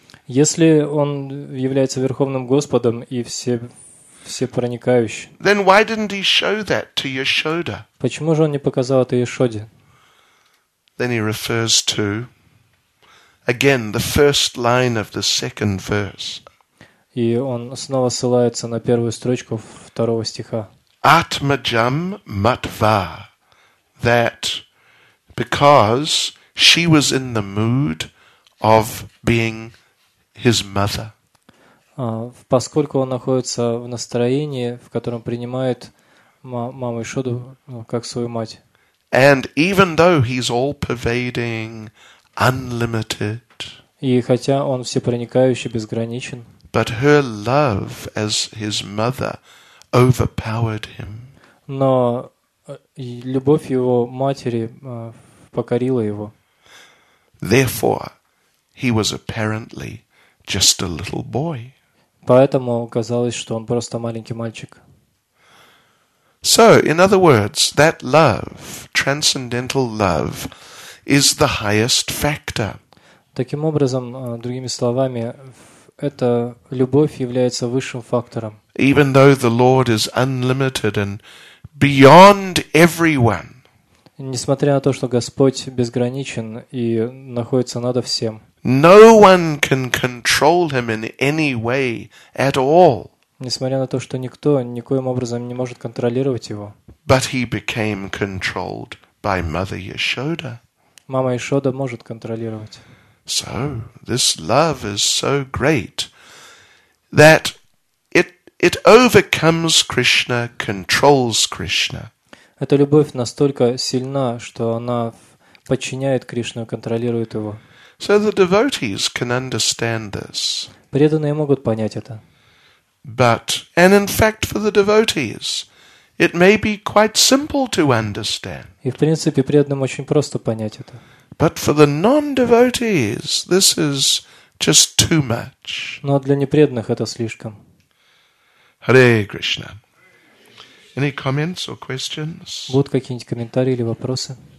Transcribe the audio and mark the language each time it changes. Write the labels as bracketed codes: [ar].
[ru] если он является Верховным Господом и всепроникающим, [en] then why didn't he show that to Yashoda? [ru] Почему же он не показал это Яшоде? [en] Then he refers to, again, the first line of the second verse. [ru] И он снова ссылается на первую строчку второго стиха. [sa] Atmajam matva, [en] that because she was in the mood of being his mother. [ru] Поскольку он находится в настроении, в котором принимает маму Ишоду как свою мать. [en] And even though he's all-pervading, unlimited. [ru] И хотя он всепроникающий, безграничен. [en] But her love as his mother overpowered him. [ru] Но любовь его матери покорила его. [en] Therefore, he was apparently just a little boy. [ru] Поэтому казалось, что он просто маленький мальчик. [en] So, in other words, that love, transcendental love, is the highest factor. [ru] Таким образом, другими словами, эта любовь является высшим фактором. [en] Even though the Lord is unlimited and beyond everyone. [ru] Несмотря на то, что Господь безграничен и находится над всем. [en] No one can control him in any way at all. [ru] Несмотря на то, что никто никоим образом не может контролировать его. [en] But he became controlled by Mother Yashoda. [ru] Мама Яшода может контролировать. [en] So, this love is so great that it overcomes Krishna, controls Krishna. [ru] Эта любовь настолько сильна, что она подчиняет Кришну, контролирует его. [en] So the devotees can understand this. [ru] Преданные могут понять это. [en] But, and in fact for the devotees, it may be quite simple to understand. [ru] И в принципе преданным очень просто понять это. [en] But for the non-devotees, this is just too much. [ru] Но для непреданных это слишком. [en] Hare Krishna. Any comments or questions? [ru] Будут какие-нибудь комментарии или вопросы?